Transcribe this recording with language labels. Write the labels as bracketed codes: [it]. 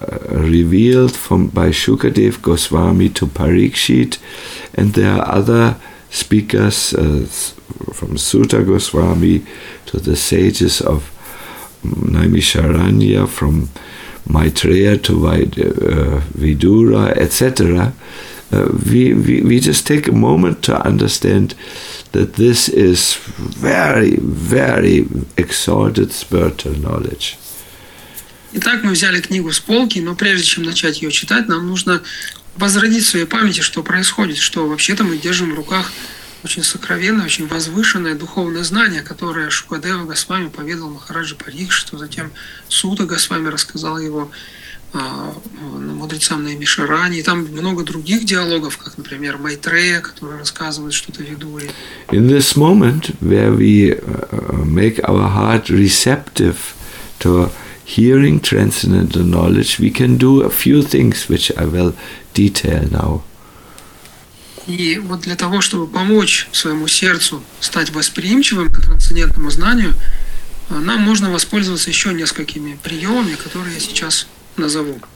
[en] revealed by Shukadev Goswami to Parikshit, and there are other speakers from Sutta Goswami to the sages of Naimisharanya, from Maitreya to Vidura, etc. We just take a moment to understand that this is very, very exalted spiritual knowledge. [ru] Итак, мы взяли книгу с полки, но прежде чем начать ее читать, нам нужно возродить в своей памяти, что происходит, что вообще-то мы держим в руках очень сокровенное, очень возвышенное духовное знание, которое Шукадева Госвами поведал Махараджи Парикшиту, затем Сута Госвами рассказал его мудрецам на Емишаране, и там много других диалогов, как, например, Майтрея, который рассказывает что-то Видуре. [en] In this moment, where we make our heart receptive to hearing transcendental knowledge, we can do a few things, which I will detail now. [ru] И вот для того, чтобы помочь своему сердцу стать восприимчивым к трансцендентному знанию, нам можно воспользоваться еще несколькими приемами, которые я сейчас назову.